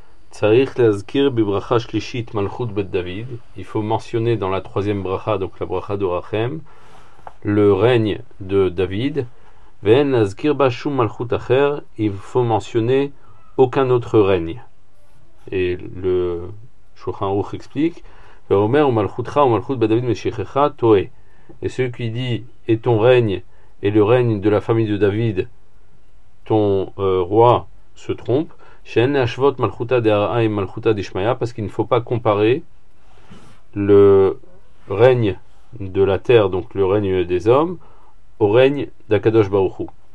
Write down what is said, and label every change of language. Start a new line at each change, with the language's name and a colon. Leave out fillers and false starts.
Hebrew: צריך להזכיר בברכה שלישית מלכות בית דוד,
French: il faut mentionner dans la troisième bracha, donc la bracha de Rachem, le règne de David,
Hebrew: ואין להזכיר בה שום מלכות אחר,
French: il faut mentionner aucun autre règne. Et le Shulchan Aruch explique,
Hebrew: ואומר ומלכותך ומלכות בית דוד משיחך, טועה.
French: Et celui qui dit, et ton règne et le règne de la famille de David, ton roi se trompe, Shen Ashvot Malchuta Dera et Malchuta Dishmaya, parce qu'il ne faut pas comparer le règne de la terre, donc le règne des hommes, au règne d'Akadosh Baruch Hu.